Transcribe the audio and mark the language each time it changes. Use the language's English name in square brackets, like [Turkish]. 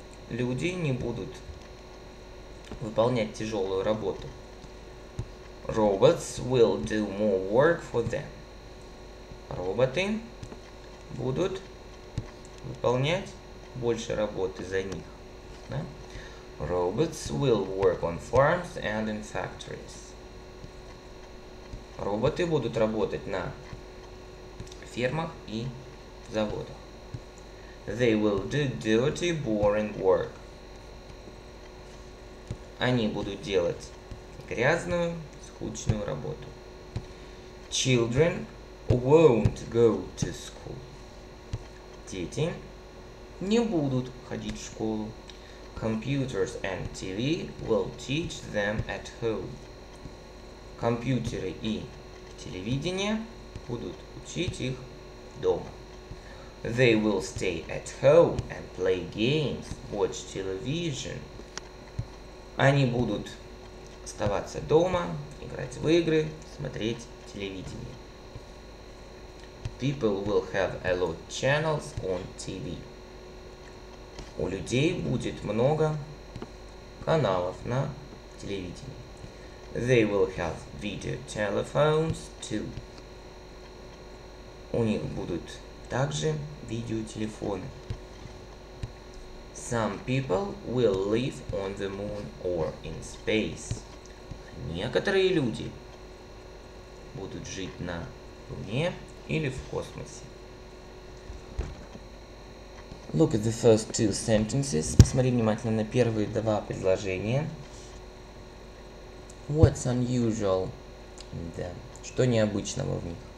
[Russian] Люди не будут выполнять тяжелую работу. [English] Robots will do more work for them. [Russian] Роботы будут выполнять больше работы за них. Да? [English] Robots will work on farms and in factories. [Russian] Роботы будут работать на фермах и заводах. [English] They will do dirty, boring work. [Russian] Они будут делать грязную, скучную работу. [English] Children won't go to school. [Russian] Дети не будут ходить в школу. [English] Computers and TV will teach them at home. [Russian] Компьютеры и телевидение будут учить их дома. [English] They will stay at home and play games, watch television. [Russian] Они будут оставаться дома, играть в игры, смотреть телевидение. [English] People will have a lot of channels on TV. [Russian] У людей будет много каналов на телевидении. [English] They will have video telephones too. [Russian] У них будут также видеотелефоны. [English] Some people will live on the moon or in space. [Russian] Некоторые люди будут жить на Луне или в космосе. [English] Look at the first two sentences. [Russian] Посмотри внимательно на первые два предложения. [English] What's unusual in them? [Russian] Что необычного в них?